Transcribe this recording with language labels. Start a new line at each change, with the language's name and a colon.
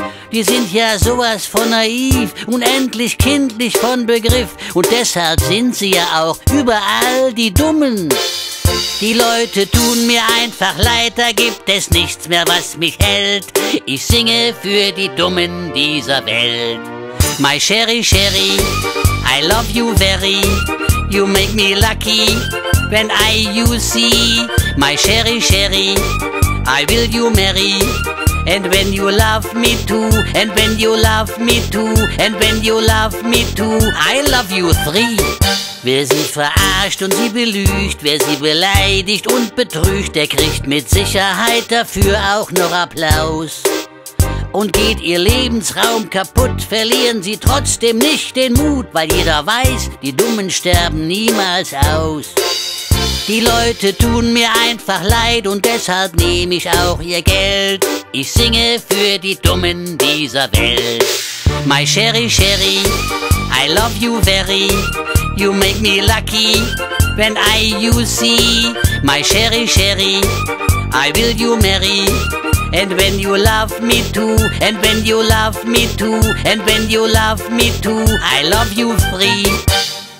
German: Die sind ja sowas von naiv, unendlich kindlich von Begriff, und deshalb sind sie ja auch überall die Dummen. Die Leute tun mir einfach leid, da gibt es nichts mehr, was mich hält. Ich singe für die Dummen dieser Welt.
English: My Sherry Sherry, I love you very. You make me lucky when I you see. My Sherry Sherry, I will you marry. And when you love me too, and when you love me too, and when you love me too, I love you three.
German: Wer sie verarscht und sie belügt, wer sie beleidigt und betrügt, der kriegt mit Sicherheit dafür auch noch Applaus. Und geht ihr Lebensraum kaputt, verlieren sie trotzdem nicht den Mut, weil jeder weiß, die Dummen sterben niemals aus. Die Leute tun mir einfach leid und deshalb nehme ich auch ihr Geld. Ich singe für die Dummen dieser Welt.
English: My Sherry Sherry, I love you very. You make me lucky when I you see. My Sherry Sherry, I will you marry. And when you love me too, and when you love me too, and when you love me too, I love you free.